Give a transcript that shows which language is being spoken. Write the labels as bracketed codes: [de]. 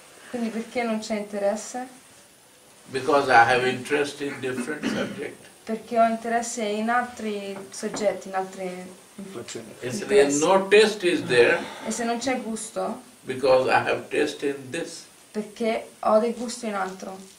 [it] Quindi perché non c'è interesse? [en] Because I have interest in different subject. [it] Perché ho interesse in altri soggetti, in altri interessi. [en] And no taste is there. [it] E se non c'è gusto? [en] Because I have taste in this. [it] Perché ho del gusto in altro.